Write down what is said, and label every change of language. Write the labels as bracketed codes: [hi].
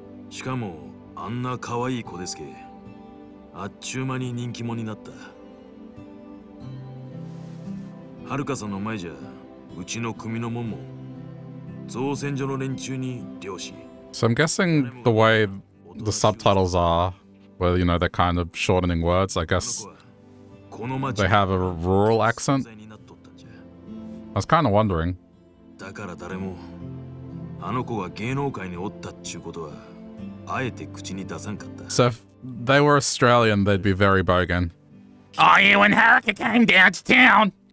[ja] しかも、あんな可愛い子ですけ、あっちゅう間に人気者になった。はるかさんの前じゃ、うちの組のもんも、造船所の連中に漁師。 [en] So I'm guessing the way the subtitles are, where, you know, they're kind of shortening words, I guess they have a rural accent. I was kind of wondering. [ja] だから誰もあの子が芸能界におったっちゅうことはあえて口に出さんかった。 [en] So if they were Australian, they'd be very bogan. Are you and Harika came down to town?